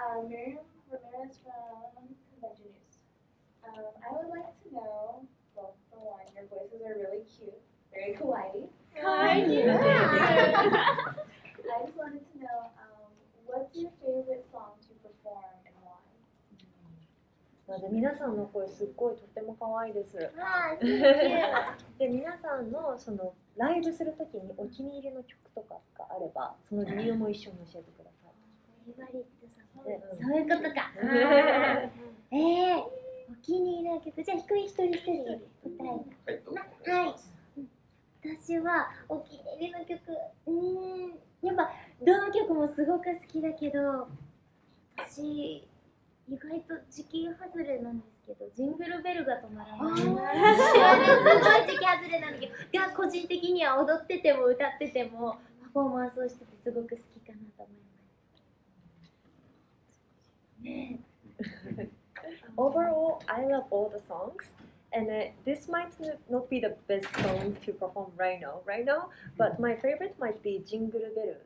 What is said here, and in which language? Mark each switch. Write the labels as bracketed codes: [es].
[en] Miriam Ramirez from Convention News. I would like to know, well, for one, your voices are really cute, very kawaii. Kawaii. I just wanted to know, what's your favorite song to perform and why? [ja] で皆さんの声すっごいとっても可愛いです。で皆さんのそのライブするときにお気に入りの曲とかがあればその理由も一緒に教えてください。そういうことか。お気に入りの曲じゃあ一人一人答えた。はい。はい。私はお気に入りの曲、やっぱどの曲もすごく好きだけど、私。意外と時期外れなんですけど、ジングルベルが止まらない。私はね、すごい時期外れなんだけど、が個人的には踊ってても歌っててもパフォーマンスをしててすごく好きかなと思います。ね。 [en] Overall, I love all the songs, and this might not be the best song to perform right now, but my favorite might be Jingle Bell.